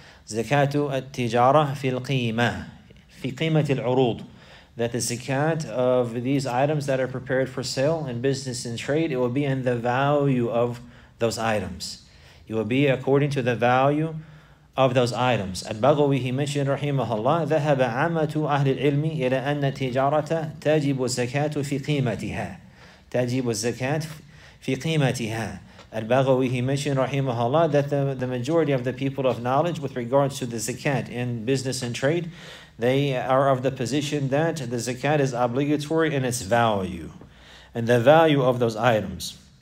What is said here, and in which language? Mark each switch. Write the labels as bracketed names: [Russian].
[Arabic] Zakatu tijara fil qima. Fi qimati al-urud. [English] That the zakat of these items that are prepared for sale in business and trade, it will be in the value of those items. It will be according to the value of those items. [Arabic] Al-Baghawi, [English] he mentioned, [Arabic] rahimahullah, ذهب عامة أهل العلم إلى أن التجارة تجب الزكاة في قيمتها. تجب الزكاة في قيمتها. [English] Al-Baghawi, he mentioned, rahimahullah, that the majority of the people of knowledge with regards to the zakat in business and trade, they are of the position that the zakat is obligatory in its value, and the value of those items.